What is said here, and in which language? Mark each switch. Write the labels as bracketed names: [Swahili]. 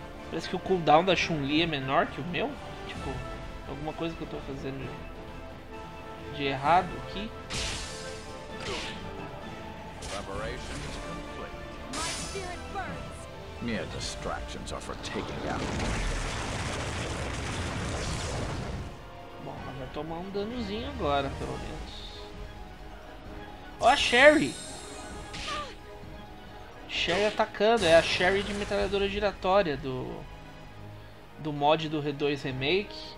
[Portuguese] Parece que o cooldown da Chun-Li é menor que o meu. Tipo, alguma coisa que eu tô fazendo de errado aqui. [English] Preparation is complete. My spirit burns. Mere distractions are for taking out. [Portuguese] Bom, ela vai tomar um danozinho agora, pelo menos. Ó, a Sherry! Sherry atacando, é a Sherry de metralhadora giratória do. Do mod do R2 Remake.